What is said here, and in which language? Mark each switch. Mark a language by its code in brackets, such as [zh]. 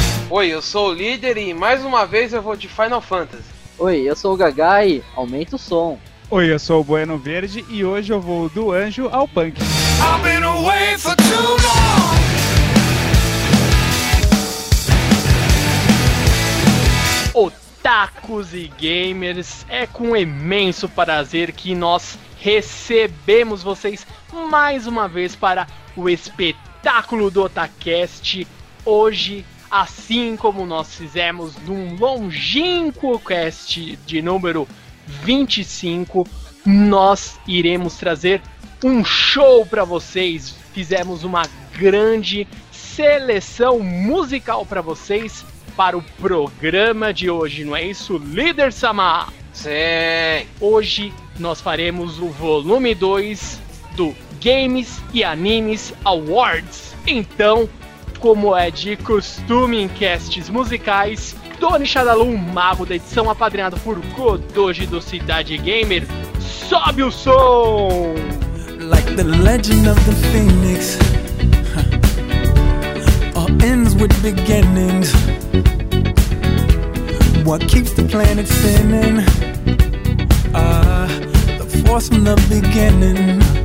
[pt] Oi, eu sou o líder e mais uma vez eu vou de Final Fantasy. Oi, eu sou o Gagá e aumenta o som. Oi, eu sou o Bueno Verde e hoje eu vou do anjo ao punk. [en] I've been away for too long. [pt] Otakus e gamers, é com imenso prazer que nós recebemos vocês mais uma vez para o espetáculo do Otacast hoje. Assim como nós fizemos num longínquo cast de número 25, nós iremos trazer um show para vocês. Fizemos uma grande seleção musical para vocês para o programa de hoje, não é isso, Líder Sama? Sim! Hoje nós faremos o volume 2 do Games e Animes Awards. Então, como é de costume em casts musicais, Tony Shadaloo, o mago da edição, apadrinhado por Godoji do Cidade Gamer, sobe o som! [en] Like the legend of the Phoenix, all ends with beginnings. What keeps the planet spinning? The force from the beginning.